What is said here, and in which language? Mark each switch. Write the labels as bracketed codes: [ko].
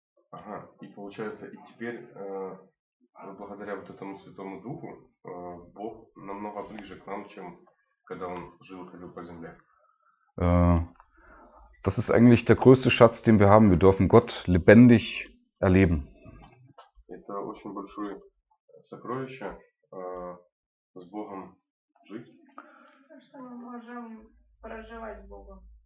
[ru] Ага, и получается, и теперь, благодаря вот этому Святому Духу, Бог намного ближе к нам, чем когда Он жил и ходил по земле. [de] Das ist eigentlich der größte Schatz, den wir haben. Wir dürfen Gott lebendig erleben. [ru] Это очень большое сокровище, с Богом жить. Что мы можем проживать с Богом.